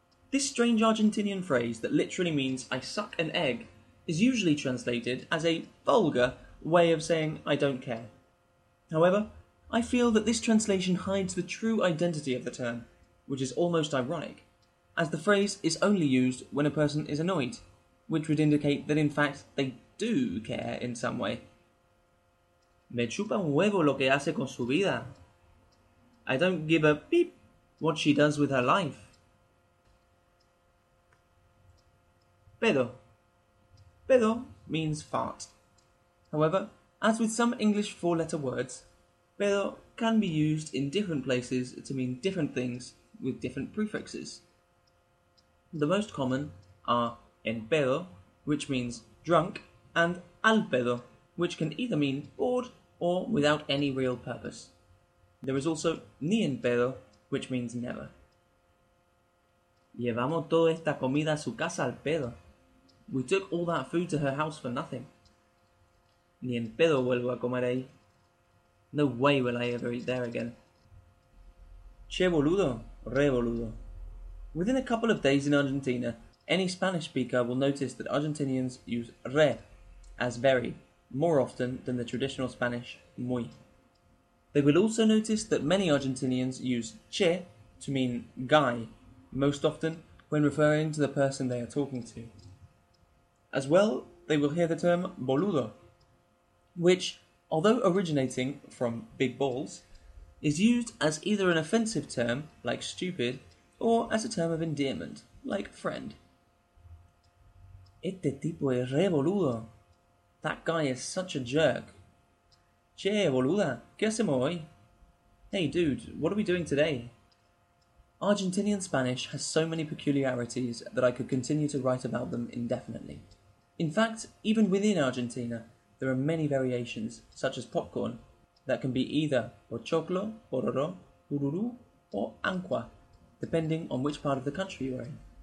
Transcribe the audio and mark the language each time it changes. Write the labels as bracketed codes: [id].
[en] This strange Argentinian phrase that literally means I suck an egg is usually translated as a vulgar way of saying I don't care. However, I feel that this translation hides the true identity of the term, which is almost ironic, as the phrase is only used when a person is annoyed, which would indicate that in fact they do care in some way. [es] Me chupa un huevo lo que hace con su vida. [en] I don't give a beep what she does with her life. Pedo. Pedo means fart. However, as with some English four-letter words, pedo can be used in different places to mean different things with different prefixes. The most common are en pedo, which means drunk, and al pedo, which can either mean bored or without any real purpose. There is also ni en pedo, which means never. [es] Llevamos toda esta comida a su casa al pedo. [en] We took all that food to her house for nothing. [es] Ni en pedo vuelvo a comer ahí. [en] No way will I ever eat there again. [es] Che boludo, re boludo. [en] Within a couple of days in Argentina, any Spanish speaker will notice that Argentinians use re as very more often than the traditional Spanish muy. They will also notice that many Argentinians use che to mean guy, most often when referring to the person they are talking to. As well, they will hear the term boludo, which, although originating from big balls, is used as either an offensive term, like stupid, or as a term of endearment, like friend. [es] Este tipo es re boludo. [en] That guy is such a jerk. [es] Che, boluda, ¿qué hacemos hoy? [en] Hey, dude, what are we doing today? Argentinian Spanish has so many peculiarities that I could continue to write about them indefinitely. In fact, even within Argentina, there are many variations, such as popcorn, that can be either pochoclo, pororo, ururu, or anqua, depending on which part of the country you are in.